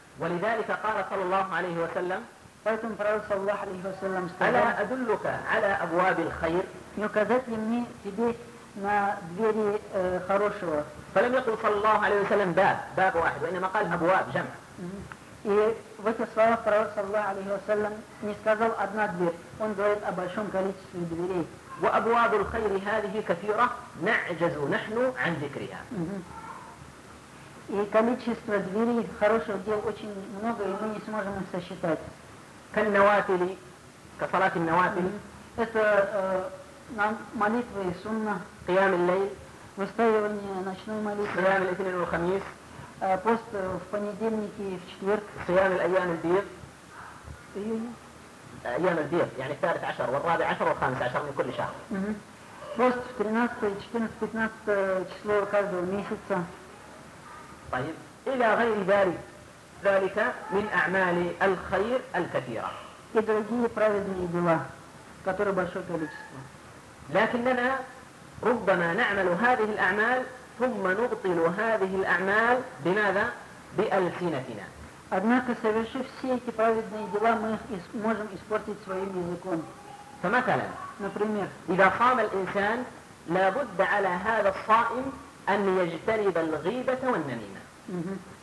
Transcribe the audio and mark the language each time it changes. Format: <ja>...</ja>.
<ar>ولذلك قال صلى الله عليه وسلم,</ar> <ru>поэтому пророк</ru> <ar>صلى الله عليه وسلم</ar> <ru>сказал:</ru> <ar>ألا أدلك على أبواب الخير,</ar> <ru>не указать ли мне тебе на двери хорошего.</ru> <ar>فلم يقل صلى الله عليه وسلم باب واحد, وإنما قال أبواب جمع.</ar> <ru>И в этих словах пророк саллаллаху алейхи ва саллям не сказал одна дверь, он говорит о большом количестве дверей.</ru> <ar>وأبواب الخير هذه كثيرة نعجز نحن عن ذكرها.</ar> <ru>И количество дверей хороших дел очень много, и мы не сможем их сосчитать.</ru> <ar>كالنوافل, كصلاة النوافل,</ar> <ru>это молитвы и сунна,</ru> <ar>قيام الليل,</ar> <ru>выстаивание ночной молитвы,</ru> <ar>قيام الاثنين والخميس,</ar> <ru>пост в понедельник и в четверг,</ru> <ar>صيام الأيام البيض, أيام البيض يعني الثالث عشر والرابع عشر والخامس عشر من كل شهر,</ar> <ru>пост в 13, 14, 15 число каждого месяца.</ru> <ar>طيب إلى غير ذلك, ذلك من أعمال الخير الكثيرة,</ar> <ru>и другие праведные дела, которые большое количество.</ru> <ar>لكننا ربما نعمل هذه الأعمال ثم نبطل هذه الأعمال بماذا؟ بألسنتنا.</ar> <ru>Однако совершив все эти праведные дела, мы их можем испортить своим языком.</ru> <ar>فمثلا,</ar> <ru>например,</ru> <ar>إذا صام الإنسان لا بد على هذا الصائم أن يجتنب الغيبة والنميمة.</ar>